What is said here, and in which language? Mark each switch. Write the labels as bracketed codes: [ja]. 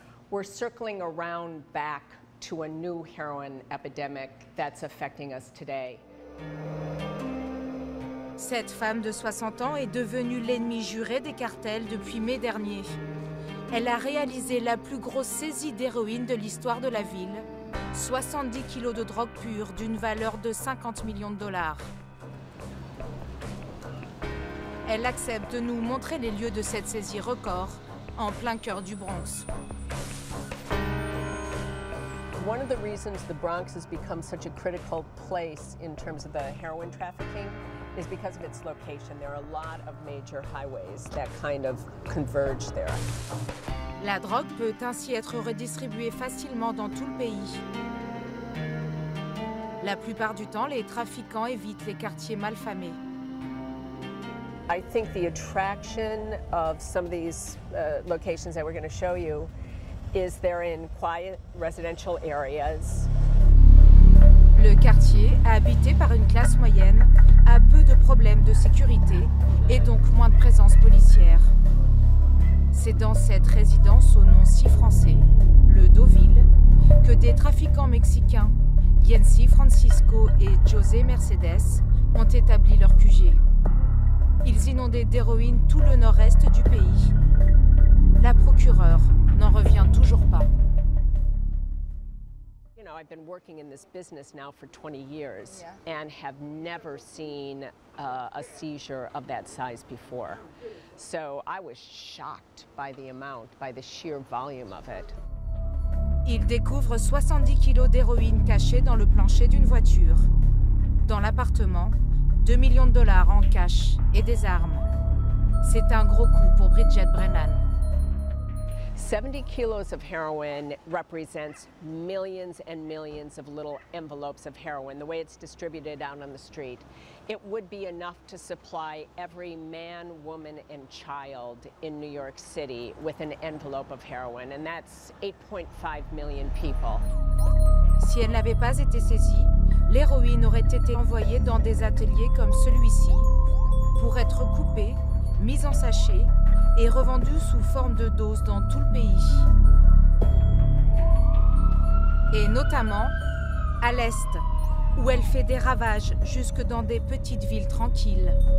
[en] We're circling around back to a new heroin epidemic that's affecting us today. [fr] Cette femme de 60 ans est devenue l'ennemi juré des cartels depuis mai dernier. Elle a réalisé la plus grosse saisie d'héroïne de l'histoire de la ville, 70 kilos de drogue pure d'une valeur de 50 millions de dollars. Elle accepte de nous montrer les lieux de cette saisie record en plein cœur du Bronx. [en] One of the reasons the Bronx has become such a critical place in terms of the heroin trafficking is because of its location. There are a lot of major highways that kind of converge there. [fr] La drogue peut ainsi être redistribuée facilement dans tout le pays. La plupart du temps, les trafiquants évitent les quartiers mal famés. [en] I think the attraction of some of these locations that we're going to show you is they're in quiet residential areas. [fr] Le quartier, habité par une classe moyenne, a peu de problèmes de sécurité et donc moins de présence policière. C'est dans cette résidence au nom si français, le Deauville, que des trafiquants mexicains, Yancy Francisco et José Mercedes, ont établi leur QG. Ils inondaient d'héroïne tout le nord-est du pays. La procureure n'en revient toujours pas. [en] You know, I've been working in this business now for 20 years and have never seen a seizure of that size before. So I was shocked by the amount, by the sheer volume of it. [fr] Ils découvrent 70 kilos d'héroïne cachés dans le plancher d'une voiture. Dans l'appartement, 2 millions de dollars en cash et des armes. C'est un gros coup pour Bridget Brennan. [en] 70 kilos of heroin represents millions and millions of little envelopes of heroin, the way it's distributed out on the street. It would be enough to supply every man, woman, and child in New York City with an envelope of heroin, and that's 8.5 million people. [fr] Si elle n'avait pas été saisie, l'héroïne aurait été envoyée dans des ateliers comme celui-ci pour être coupée, mise en sachet et revendue sous forme de dose dans tout le pays. Et notamment à l'Est, où elle fait des ravages jusque dans des petites villes tranquilles.